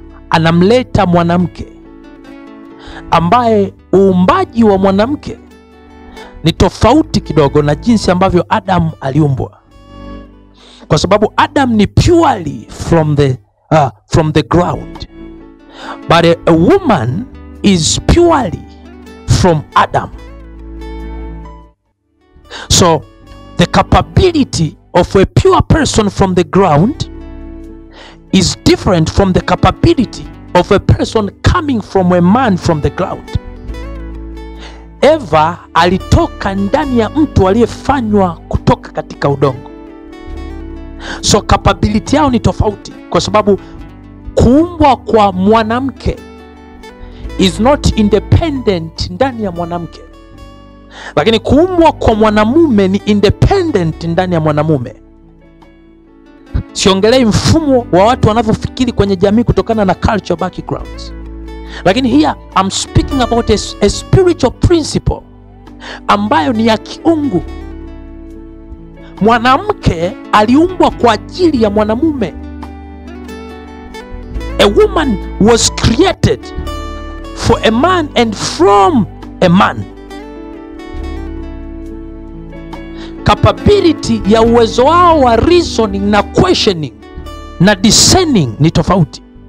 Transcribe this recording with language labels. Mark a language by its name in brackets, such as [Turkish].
[Swahili] Anamleta mwanamke ambaye uumbaji wa mwanamke ni tofauti kidogo na jinsi ambavyo Adam aliumbwa, kwa sababu Adam ni [English] purely from the ground, but a woman is purely from Adam. So the capability of a pure person from the ground is different from the capability of a person coming from a man from the ground. [Swahili] Eva alitoka ndani ya mtu aliyefanywa kutoka katika udongo. So capability yao ni tofauti, kwa sababu kuumbwa kwa mwanamke [English] is not independent [Swahili] ndani ya mwanamke. Lakini kuumbwa kwa mwanamume ni independent ndani ya mwanamume. Siongelei mfumo wa watu wanavyofikiri kwenye jamii kutokana na [English] cultural backgrounds. [Swahili] Lakini [English] here I'm speaking about a spiritual principle [Swahili] ambayo ni ya kiungu. Mwanamke aliumbwa kwa ajili ya mwanamume. [English] A woman was created for a man and from a man. [Swahili] Capability ya uwezo wao wa reasoning na questioning na discerning ni tofauti.